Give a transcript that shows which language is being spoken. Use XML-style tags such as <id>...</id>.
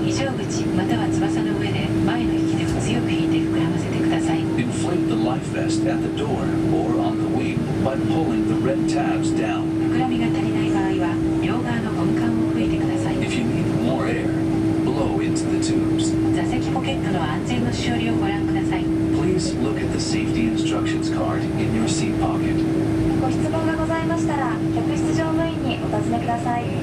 <ja>非常口または翼の上で前の引き手を強く引いて膨らませてください。</ja> <en>Inflate the life vest at the door or on the wing by pulling the red tabs down.</en> <ja>膨らみが足りない場合は両側のゴム管を吹いてください。</ja> <en>If you need more air, blow into the tubes.</en> <ja>座席ポケットの安全のしおりをご覧ください。</ja> <en>Please look at the safety instructions card in your seat pocket.</en> <ja>ご質問がございましたら、客室乗務員にお尋ねください。</ja>